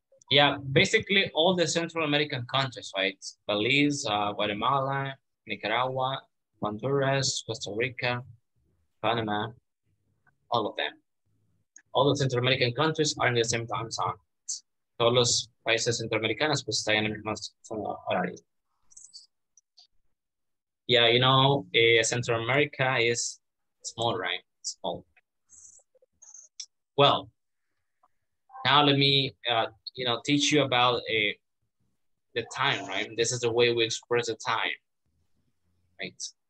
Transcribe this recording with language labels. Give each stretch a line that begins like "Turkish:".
English: Yeah, basically all the Central American countries, right? Belize, Guatemala, Nicaragua, Honduras, Costa Rica, Panama, all of them. All the Central American countries are in the same time zone.
Spanish: Todos los países centroamericanos pues están en el mismo horario.
English: Yeah, you know, Central America is small, right? Small. Well, now let me, you know, teach you about the time, right? This is the way we express the time, right?